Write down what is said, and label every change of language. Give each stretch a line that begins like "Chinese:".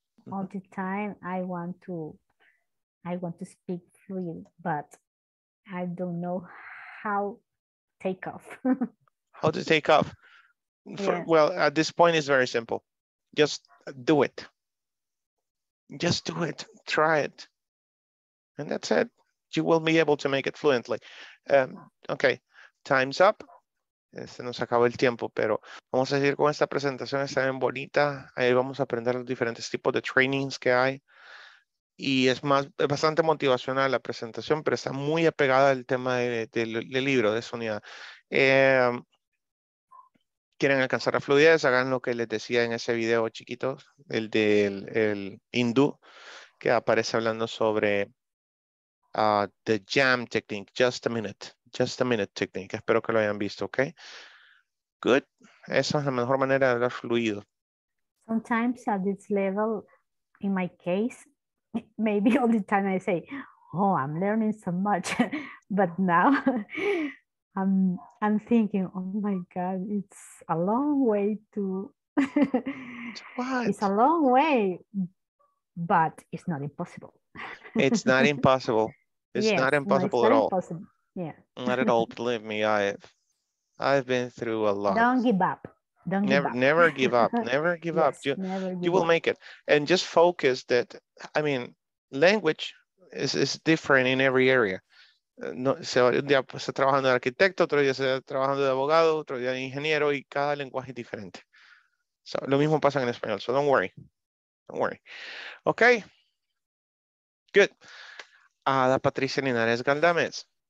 English: All the time I want to speak fluent, but I don't know how to take off. How to take off? Well, at this point, it's very simple. Just do it. Just do it. Try it. And that's it. You will be able to make it fluently. Okay, time's up.
Spanish: Se nos acabó el tiempo, pero vamos a seguir con esta presentación. Está bien bonita. Ahí vamos a aprender los diferentes tipos de trainings que hay. Y es bastante motivacional la presentación, pero está muy apegada al tema del libro de Sonia. ¿Quieren alcanzar la fluidez? Hagan lo que les decía en ese video chiquito, el del el hindú, que aparece hablando sobre
English: the jam technique. Just a minute. Just a minute technique.
Spanish: Espero que lo hayan visto, ¿ok?
English: Good.
Spanish: Esa es la mejor manera de hablar fluido.
English: Sometimes at this level, in my case, maybe all the time I say, oh, I'm learning so much. But now I'm thinking, oh my God, it's a long way to... What? It's a long way, but it's not impossible. It's not impossible. It's yes, not impossible, no, it's at not all. Impossible. Yeah. Not at all. Believe me, I've been through a lot. Don't give up. Never give up. Never give up. You will make it. And just focus that, I mean, language is different in every area.
Spanish: No, un día está trabajando de arquitecto, otro día está trabajando de abogado, otro día de ingeniero, y cada lenguaje es diferente.
English: So,
Spanish: lo mismo pasa en español.
English: So don't worry. Don't worry. Okay. Good. Ada Patricia Linares Galdames.